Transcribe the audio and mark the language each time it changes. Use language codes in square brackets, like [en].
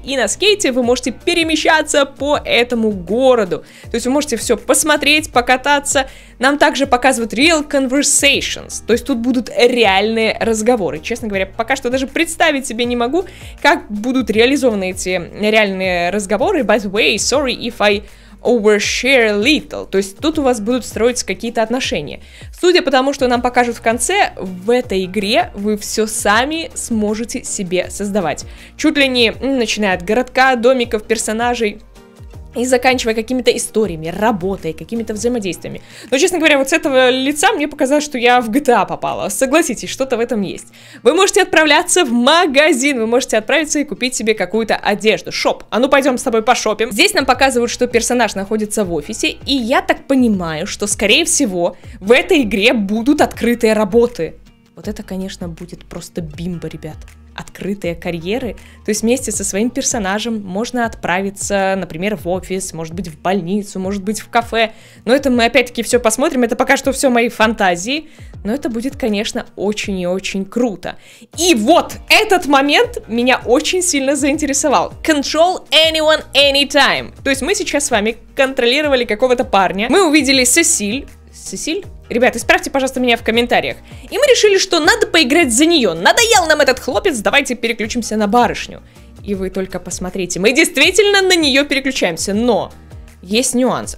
[ru] И на скейте вы можете перемещаться по этому городу. То есть вы можете все посмотреть, покататься. Нам также показывают [en] real conversations. [ru] То есть тут будут реальные разговоры. Честно говоря, пока что даже представить себе не могу, как будут реализованы эти реальные разговоры. [en] By the way, sorry if I overshare little. [ru] То есть тут у вас будут строиться какие-то отношения. Судя по тому, что нам покажут в конце, в этой игре вы все сами сможете себе создавать. Чуть ли не начиная от городка, домиков, персонажей и заканчивая какими-то историями, работой, какими-то взаимодействиями. Но, честно говоря, вот с этого лица мне показалось, что я в GTA попала. Согласитесь, что-то в этом есть. Вы можете отправляться в магазин, вы можете отправиться и купить себе какую-то одежду. Шоп, а ну пойдем с тобой пошопим. Здесь нам показывают, что персонаж находится в офисе, и я так понимаю, что, скорее всего, в этой игре будут открытые работы. Вот это, конечно, будет просто бимба, ребят. Открытые карьеры, то есть вместе со своим персонажем можно отправиться, например, в офис, может быть, в больницу, может быть, в кафе. Но это мы опять-таки все посмотрим, это пока что все мои фантазии, но это будет, конечно, очень и очень круто. И вот этот момент меня очень сильно заинтересовал. [en] Control anyone, anytime. [ru] То есть мы сейчас с вами контролировали какого-то парня, мы увидели Сесиль. Сесиль? Ребят, исправьте, пожалуйста, меня в комментариях. И мы решили, что надо поиграть за нее. Надоел нам этот хлопец, давайте переключимся на барышню. И вы только посмотрите. Мы действительно на нее переключаемся, но есть нюанс.